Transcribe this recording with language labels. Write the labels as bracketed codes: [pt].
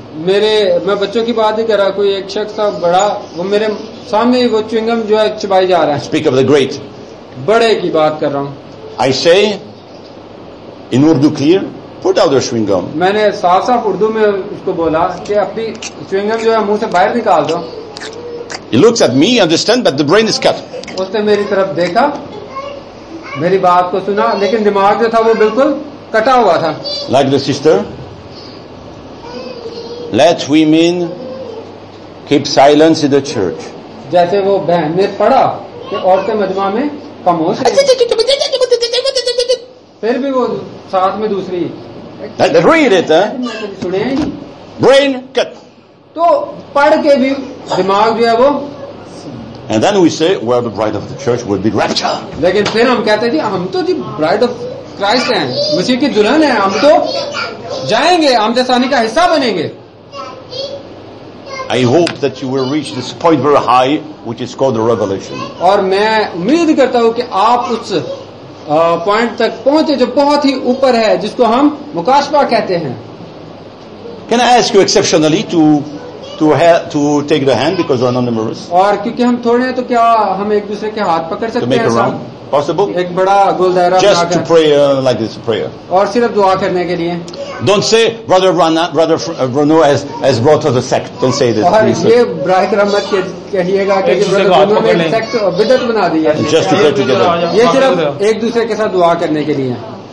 [hi] मैं बच्चों की बात ही कर रहा, कोई एक शख्स था बड़ा, वो मेरे सामने ही वो चुंगम जो है चबाई जा रहा है. [en] speak of the great, [hi] बड़े की बात कर रहा हूँ. [en] I say in Urdu clear, put out the chewing gum. [hi] मैंने साफ साफ उर्दू में उसको बोला कि अपनी च्युइंगम जो है मुंह से बाहर निकाल दो. [en] He looks at me, understand, but the brain is cut. [hi] उसने मेरी तरफ देखा, मेरी बात को सुना, लेकिन दिमाग जो था वो बिल्कुल कटा हुआ था. [en] Like the sister, let women keep silence in the church. [hi] जैसे वो बहन ने पढ़ा कि औरतें मजमा में खामोश फिर भी वो साथ में दूसरी [en] brain cut [hi] तो पढ़ के भी दिमाग जो है वो. [en] And then we say, well, the bride of the church will be rapture. [hi] लेकिन फिर हम कहते थे हम तो जी [en] bride of Christ [hi] हैं, मसीह की दुल्हन हैं, हम तो जाएंगे, हम जसानी का हिस्सा बनेंगे. [en] I hope that you will reach this point very high, which is called the revelation. [hi] और मैं उम्मीद करता हूँ कि आप उस पॉइंट तक पहुंचे जो बहुत ही ऊपर है, जिसको हम मुकाशवा कहते हैं. [en] Can I ask you exceptionally to take the hand because we are numerous? [hi] और क्योंकि हम थोड़े हैं तो क्या हम एक दूसरे के हाथ पकड़ सकते हैं? [en] To make a round, possible? [hi] एक बड़ा गुलदायरा. [en] Just to pray like this prayer. [hi] और सिर्फ दुआ करने के लिए. [en] Don't say brother Rana, brother Bruno has brought to the sect. Don't say this. [hi] और ये ब्राइट रहमत के कहिएगा कि brother Bruno ने sect विदत बना दिया. [en] Just to pray together. [hi] ये सिर्फ एक दूसरे के साथ दुआ करने के लिए.